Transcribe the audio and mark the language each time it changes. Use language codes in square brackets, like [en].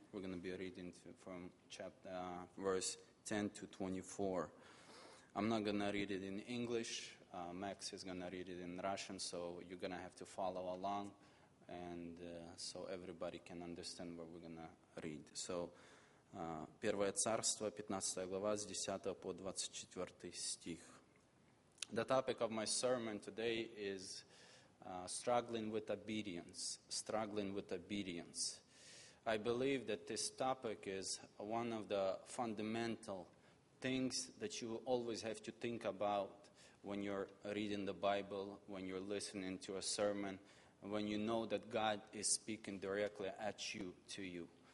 [en] We're going to be reading from verse 10 to 24. I'm not going to read it in English. Max is going to read it in Russian, so you're going to have to follow along, and so everybody can understand what we're going to read. [ru] So, Первое царство, 15 глава, с 10 по 24 стих. [en] The topic of my sermon today is struggling with obedience. Struggling with obedience. I believe that this topic is one of the fundamental things that you always have to think about when you're reading the Bible, when you're listening to a sermon, when you know that God is speaking directly at you, to you.